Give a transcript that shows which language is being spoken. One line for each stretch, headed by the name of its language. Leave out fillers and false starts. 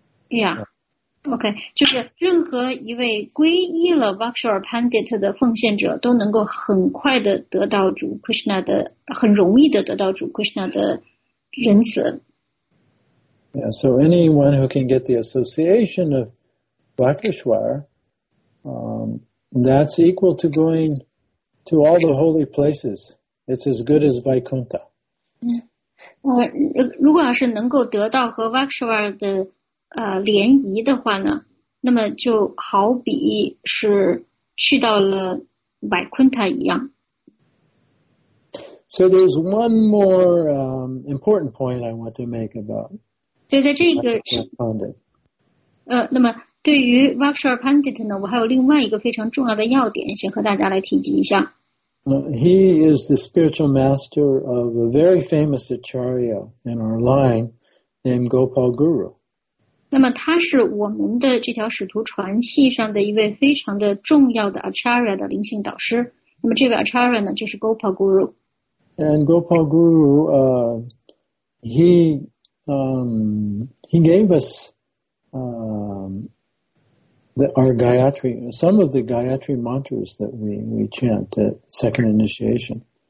English: Yeah. OK，
Chinese: 就是任何一位皈依了 Vakshar Pandit 的奉献者都能够很快的得到主 Krishna 的，很容易的得到主 Krishna 的仁慈。
English: Yeah, so anyone who can get the association of Vakshar, that's equal to going to all the holy places. It's as good as Vaikuntha.
Chinese: 如果要是能够得到和 Vakshar 的联谊的话呢，那么就好比是去到了百昆塔一样。
English: So there's one more important point I want to make about.
Chinese: 对，在这个是。那么对于 Vakshar Pandit 呢，我还有另外一个非常重要的要点，想和大家来提及一下。
English: He is the spiritual master of a very famous acharya in our line named Gopal Guru.
Chinese: 那么他是我们的这条使徒传系上的一位非常的重要的 Acharya 的灵性导师。那么这位 Acharya 呢，就是 Gopal Guru。
English: And Gopal Guru, he gave us our Gayatri, some of the Gayatri mantras that we chant at second initiation.